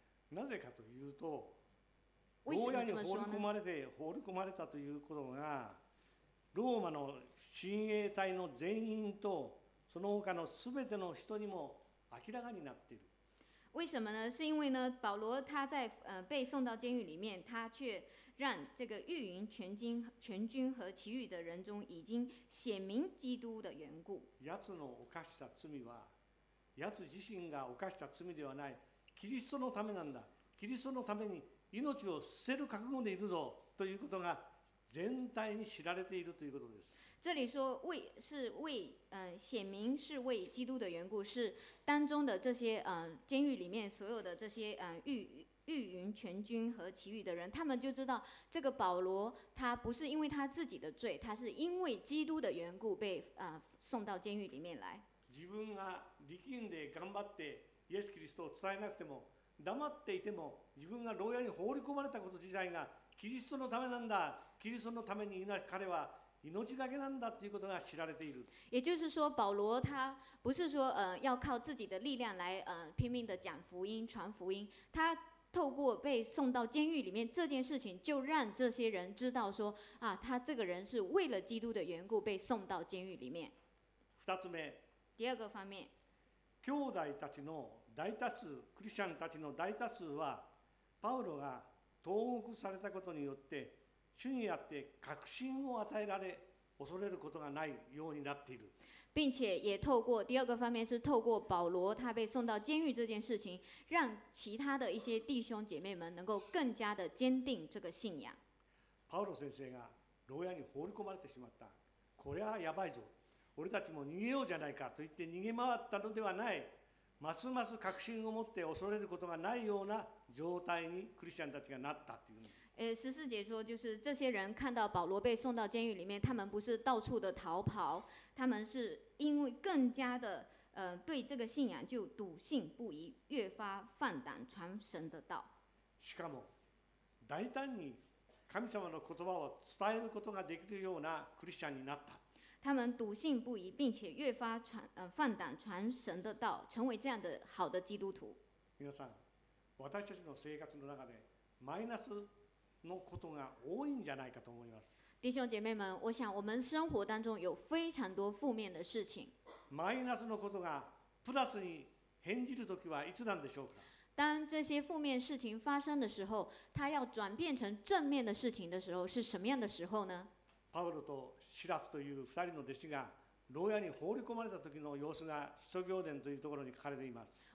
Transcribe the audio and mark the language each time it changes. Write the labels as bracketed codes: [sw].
[ja] なぜかというと、牢屋に放り込まれて放り込まれたということが、ローマの親衛隊の全員とその他のすべての人にも明らかになっている。 [zh] 为什么呢？是因为呢，保罗他在被送到监狱里面，他却让这个狱营全军和其余的人中已经显明基督的缘故。 [ja] やつの犯した罪は、やつ自身が犯した罪ではない。キリストのためなんだ。キリストのために命を捨てる覚悟でいるぞということが全体に知られているということです。 [zh] 这里说为是为显明是为基督的缘故，是当中的这些监狱里面所有的这些狱营全军和其余的人，他们就知道这个保罗他不是因为他自己的罪，他是因为基督的缘故被送到监狱里面来。 [ja] 自分が力んで頑張ってイエスキリストを伝えなくても黙っていても、自分が牢屋に放り込まれたこと自体がキリストのためなんだ、キリストのためにいな彼は命がけなんだということが知られている。 [zh] 也就是说，保罗他不是说要靠自己的力量来拼命的讲福音、传福音。他透过被送到监狱里面这件事情，就让这些人知道说啊，他这个人是为了基督的缘故被送到监狱里面。 [ja] 二つ目。 [zh] 第二个方面。 [ja] 兄弟たちの大多数、クリスチャンたちの大多数は、パウロが投獄されたことによって。主にあって確信を与えられ、恐れることがないようになっている。 [zh] 并且也透过第二个方面，是透过保罗他被送到监狱这件事情，让其他的一些弟兄姐妹们能够更加的坚定这个信仰。 [ja] パウロ先生が牢屋に放り込まれてしまった。これはやばいぞ。俺たちも逃げようじゃないかと言って逃げ回ったのではない。ますます確信を持って恐れることがないような状態にクリスチャンたちがなったっていうんです。 [zh] 十四节说，就是这些人看到保罗被送到监狱里面，他们不是到处的逃跑，他们是因为更加的对这个信仰就笃信不疑，越发放胆传神的道。 [ja] しかも大胆に神様の言葉を伝えることができるようなクリスチャンになった。 [zh] 他们笃信不疑，并且越发放胆传神的道，成为这样的好的基督徒。 [ja] 皆さん、私たちの生活の中でマイナスのことが多いんじゃないかと思います。 [zh] 弟兄姐妹们，我想我们生活当中有非常多负面的事情。 [ja] マイナスのことがプラスに変じるときはいつなんでしょうか。 [zh] 当这些负面事情发生的时候，它要转变成正面的事情的时候，是什么样的时候呢？ [ja] パウロとシラスという二人の弟子が牢屋に放り込まれた時の様子が使徒行伝というところに書かれています。